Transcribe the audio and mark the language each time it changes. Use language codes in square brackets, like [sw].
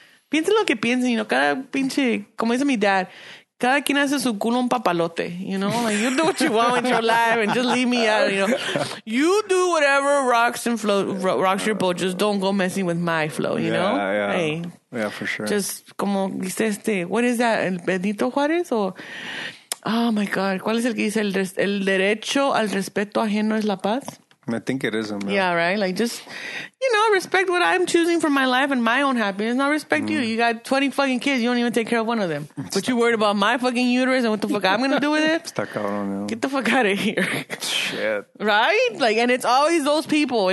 [es] Piensa lo que piensa, you know, cada pinche, como dice mi dad, cada quien hace su culo un papalote, you know? [en] Like, you do what you want with your life and just leave me out, you know? You do whatever rocks your boat, just don't go messing with my flow, you know? Yeah, yeah. Hey. Yeah, for sure. Just [es] como dice este, [en] what is that? [es] El Benito Juárez o [en] oh my god, [es] ¿cuál es el que dice el derecho al respeto ajeno es la paz? [en] I think it is. Man. Yeah, right. Like just you know, respect what I'm choosing for my life and my own happiness. Not respect you. You got 20 fucking kids. You don't even take care of one of them. But you worried about my fucking uterus and what the fuck I'm gonna do with it? [es] Está cabrón, yo. [en] Get the fuck out of here. Shit. Right? Like, and it's always those people.